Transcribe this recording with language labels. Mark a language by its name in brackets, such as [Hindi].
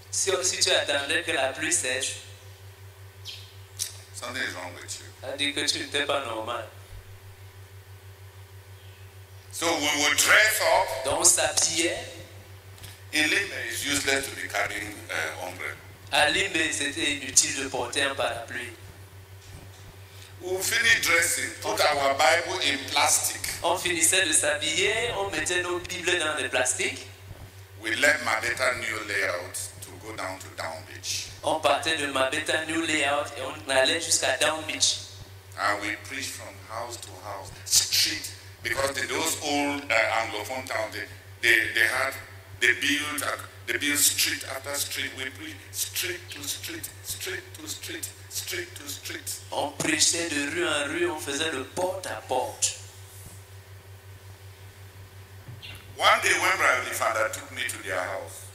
[French] si tu attendais que la pluie cesse, [English] something is wrong with you. [French] Ça dit que tu n'étais pas normal. [English] So we would dress up. [French] Donc on s'habillait. [English] In Limbe, it's useless to be carrying an umbrella. [French] À Limbe, c'était inutile de porter un parapluie. [English] We finished dressing, put our Bible in plastic. [French] On finissait de s'habiller, on mettait nos Bibles dans le plastique. [English] We left Mabetta New Layout to go down to Down Beach. [French] On partait de Mabetta New Layout et on allait jusqu'à Down Beach. [English] And we preach from house to house, street, because those old Anglophone towns, they built street after street. We preach street to street, street to street, street to street. [French] On prêchait de rue en rue, on faisait de porte à porte. [English] One day when Brother Lefanda took me to their house.